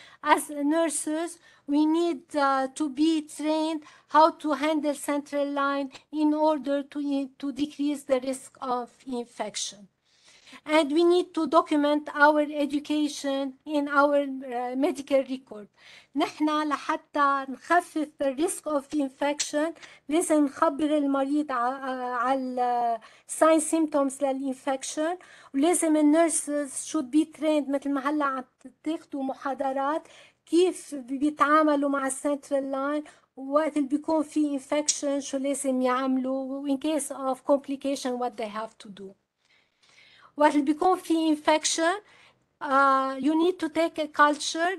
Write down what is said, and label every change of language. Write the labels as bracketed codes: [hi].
[en] As nurses, we need to be trained how to handle central line in order to decrease the risk of infection. And we need to document our education in our medical record. [ar] نحنا لحتى نخفف [en] the risk of infection [ar] لازم نخبر المريض على signs symptoms للinfection, ولازم [en] the nurses should be trained [ar] مثل ما هلا عم تاخدوا محاضرات كيف بيتعاملوا مع central line وقت اللي بيكون في infection شو لازم يعملوا [en] in case of complication what they have to do. [ar] وقت اللي بيكون في [en] infection you need to take a culture.